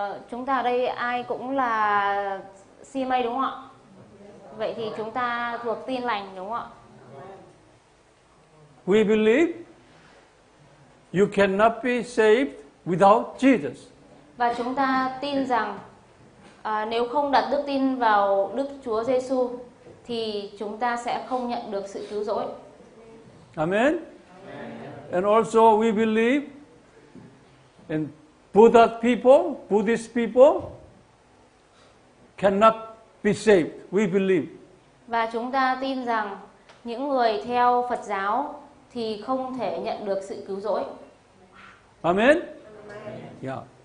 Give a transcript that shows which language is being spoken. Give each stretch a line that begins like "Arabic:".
Vietnamese: Chúng ta ở đây ai cũng là CMA đúng không ạ? Vậy thì chúng ta thuộc tin lành đúng không ạ?
English: We believe you cannot be saved without Jesus.
Vietnamese: Và chúng ta tin rằng nếu không đặt đức tin vào Đức Chúa Giêsu thì chúng ta sẽ không nhận được sự cứu rỗi.
English: Amen. And also we believe in Buddha people, Buddhist people cannot be saved. We believe.
Vietnamese: Và chúng ta tin rằng những người theo Phật giáo thì không thể nhận được sự cứu rỗi.
English: Amen. Yeah.